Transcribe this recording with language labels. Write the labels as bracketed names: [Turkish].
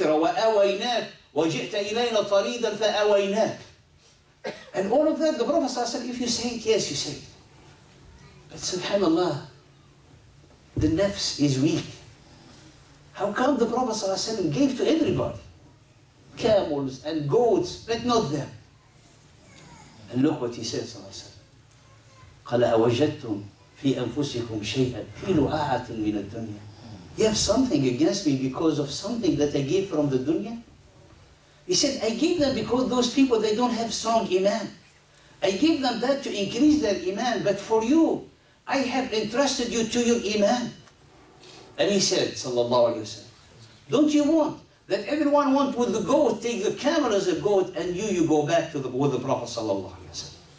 [Arabic] وأويناك وجئت إلينا طريدا فأويناك. [English] And all of that, the Prophet said, if you say it, yes, you say it. But subhanAllah, the nafs is weak. How come the Prophet gave to everybody? Camels and goats, but not them. And look what he said, [Arabic] قال أوجدتم في أنفسكم شيئا في لعاعة من الدنيا. [English] You have something against me because of something that I gave from the dunya? He said, I gave them because those people, they don't have strong iman. I gave them that to increase their iman. But for you, I have entrusted you to your iman. And he said, sallallahu alayhi wa sallam, don't you want that everyone want with the goat, take the camel as a goat, and you go back to with the Prophet sallallahu alayhi wa sallam.